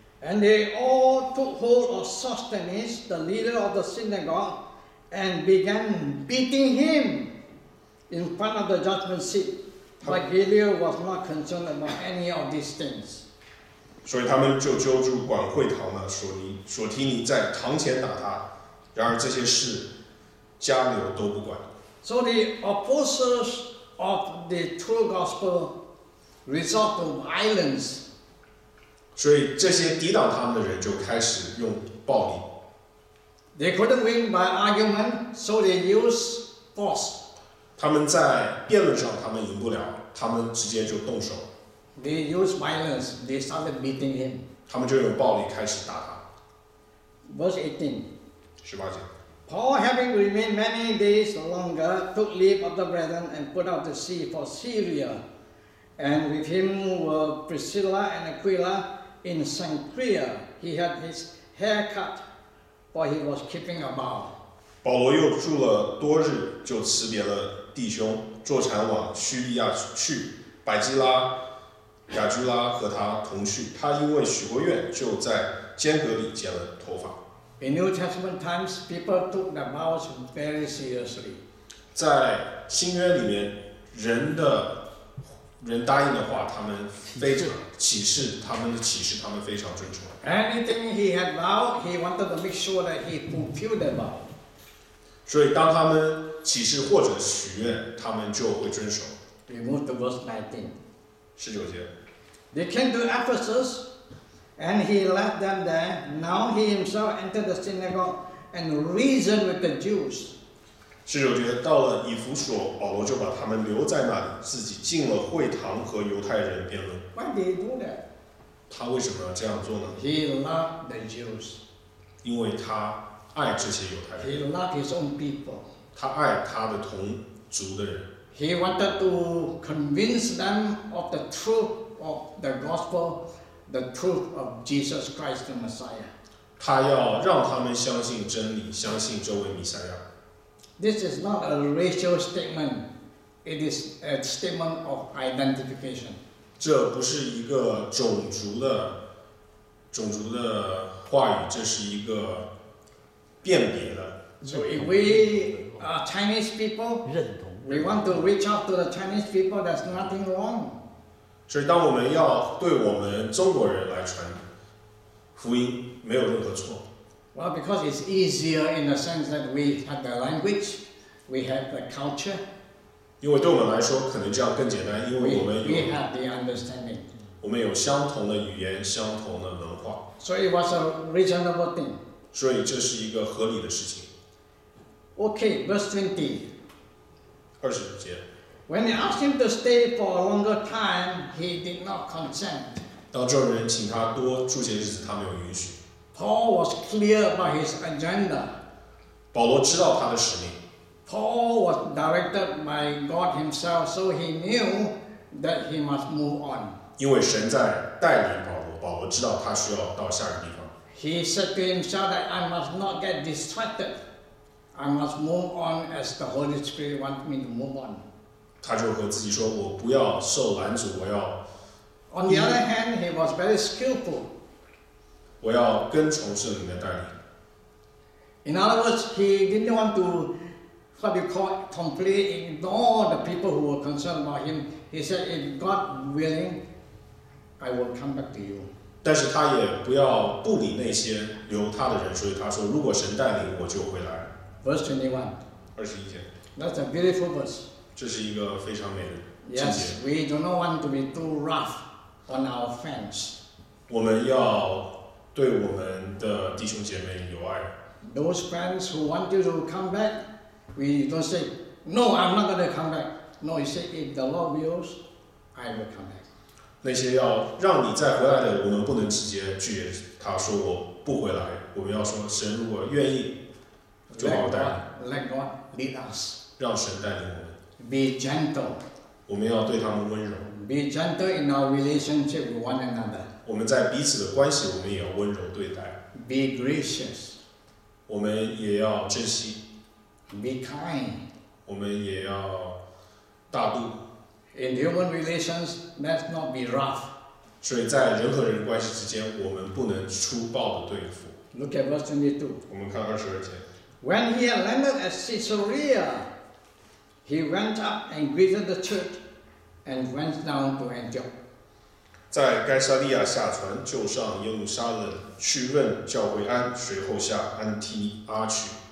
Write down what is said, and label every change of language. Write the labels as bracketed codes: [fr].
[en] And they all took hold of Sosthenes, the leader of the synagogue, and began beating him in front of the judgment seat. But Galileo was not concerned about any of these things. [zh] 所以他们就揪住管会堂的索提尼，在堂前打他。然而这些事，加流都不管。 [en] So the opposers of the true gospel resort to violence. [zh] 所以这些抵挡他们的人就开始用暴力。 [en] They couldn't win by argument, so they use force. [zh] 他们在辩论上他们赢不了，他们直接就动手。 [en] They use violence. They started beating him. [zh] 他们就用暴力开始打他。 [en] Verse 18. [zh] 18. [en] Paul, having remained many days longer, took leave of the brethren and put out to sea for Syria. And with him were Priscilla and Aquila in Cenchrea. He had his hair cut, for he was keeping a vow. [zh] 保罗又住了多日，就辞别了弟兄，坐船往叙利亚去。百基拉、雅居拉和他同去。他因为许过愿，就在间隔里剪了头发。 [en] In New Testament times, people took their vows very seriously. [zh] 在新约里面，人答应的话，他们非常起誓，他们非常遵守。 [en] Anything he had vowed, he wanted to make sure that he fulfilled the vow. [zh] 所以，当他们起誓或者许愿，他们就会遵守。 [en] We move to verse 19. [zh] 十九节。 [en] They came to Ephesus. And he left them there. Now he himself entered the synagogue and reasoned with the Jews. [zh] 十九节到了以弗所，保罗就把他们留在那里，自己进了会堂和犹太人辩论。 [en] Why did he do that? [zh] 他为什么要这样做呢 [en] ？He loved the Jews. [zh] 因为他爱这些犹太人。 [en] He loved his own people. [zh] 他爱他的同族的人。 [en] He wanted to convince them of the truth of the gospel. The truth of Jesus Christ the Messiah. [zh] 他要让他们相信真理，相信这位弥赛亚。 [en] This is not a racial statement. It is a statement of identification. [zh] 这不是一个种族的话语，这是一个辨别的。 [en] So if we Chinese people. [zh] 认同。 [en] We want to reach out to the Chinese people. There's nothing wrong. [zh] 所以，当我们要对我们中国人来传福音，没有任何错。 [en] Well, because it's easier in the sense that we have the language, we have the culture. [zh] 因为对我们来说，可能这样更简单，因为我们有。 [en] We have the understanding. [zh] 我们有相同的语言，相同的文化。 [en] So it was a reasonable thing. [zh] 所以这是一个合理的事情。 [en] Okay, verse 20. [zh] 二十五节。 [en] When they asked him to stay for a longer time, he did not consent. [zh] 当众人请他多住些日子，他没有允许。 [en] Paul was clear about his agenda. [zh] 保罗知道他的使命。 [en] Paul was directed by God himself, so he knew that he must move on. [zh] 因为神在带领保罗，保罗知道他需要到下一个地方。 [en] He said to himself that I must not get distracted. I must move on as the Holy Spirit wants me to move on. [zh] 他就和自己说，我不要受拦阻，我要。 [en] On the other hand, he was very skillful. [zh] 我要跟从圣灵的带领。 [en] In other words, he didn't want to, what you call, completely ignore the people who were concerned about him. He said, "If God willing, I will come back to you." [zh] 但是他也不要不理那些留他的人，所以他说，如果神带领，我就回来。 [en] Verse 21. [zh] 二十一节。 [en] That's a beautiful verse. [zh] 这是一个非常美的境界。 [en] Yes, we do not want to be too rough on our friends. [zh] 我们要。对我们的弟兄姐妹有爱。 [en] Those friends who want you to come back, we don't say, "No, I'm not going to come back." No, you say, "If the Lord wills, I will come back." [zh] 那些要让你再回来的，我们不能直接拒绝他说我不回来。我们要说，神如果愿意，就把我带来。 [en] Let God lead us. [zh] 让神带领我们。 [en] Be gentle. [zh] 我们要对他们温柔。 [en] Be gentle in our relationship with one another. [zh] 我们在彼此的关系，我们也要温柔对待。 [en] Be gracious。 [zh] 我们也要珍惜。 [en] Be kind。 [zh] 我们也要大度。 [en] In human relations, let's not be rough。 [zh] 所以在人和人关系之间，我们不能粗暴的对付。 [en] Look at verse 22。 [zh] 我们看二十二节。 [en] When he had landed at Caesarea, he went up and greeted the church, and went down to Antioch. [zh] 在该撒利亚下船，就上耶路撒冷去问教会安，随后下安提阿去。